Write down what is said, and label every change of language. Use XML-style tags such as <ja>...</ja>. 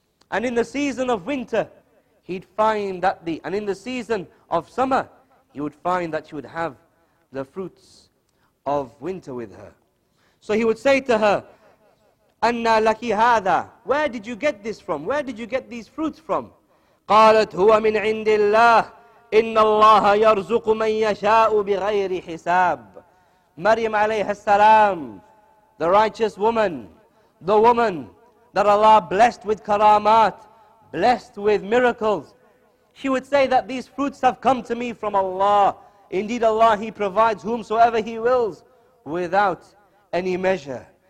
<en>And in the season of winter, he would find that she would have the fruits of winter with her. So he would say to her,</en> <ar>Anna laki hada,</ar> <en>where did you get this from? Where did you get these fruits from?</en> <ar>قالت هو من عند الله إن الله يرزق من يشاء بغير حساب.</ar> <en>Maryam alayhi salam, the righteous woman, the woman that Allah blessed with karamat, blessed with miracles, she would say that these fruits have come to me from Allah. Indeed, Allah, He provides whomsoever He wills without any measure.</en>